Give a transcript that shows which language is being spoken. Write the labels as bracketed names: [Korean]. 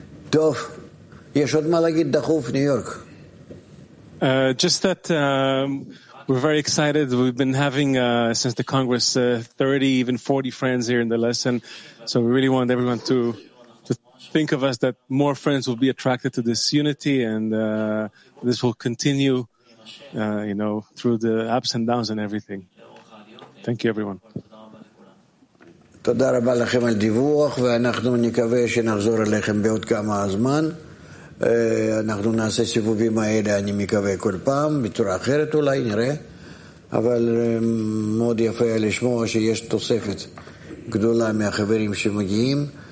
[Hebrew] טוב, יש עוד מה להגיד דחוף, ניו יורק? [English] Just that we're very excited. We've been having since the Congress 30, even 40 friends here in the lesson, so we really want everyone to think of us, that more friends will be attracted to this unity, and this will continue you know, through the ups and downs and everything. Thank you, everyone. [Hebrew] תודה רבה לכם על דיווח, ואנחנו נקווה שנחזור אליכם בעוד כמה זמן. אנחנו נעשה סיבובים האלה, אני מקווה, כל פעם, בצורה אחרת אולי, נראה. אבל מאוד יפה לשמוע שיש תוספת גדולה מהחברים שמגיעים.